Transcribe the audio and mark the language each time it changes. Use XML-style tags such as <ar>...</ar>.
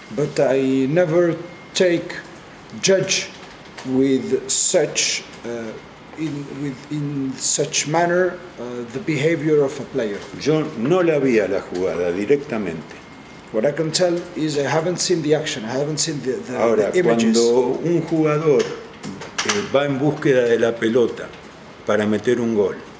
<en>But I never take judge with such in such manner the behavior of a player.</en> <es>Yo no la vi a la jugada directamente.</es> <en>What I can tell is I haven't seen the action, I haven't seen the</en> <es>Ahora,</es> <en>the images.</en> <es>Cuando un jugador va en búsqueda de la pelota para meter un gol.</es>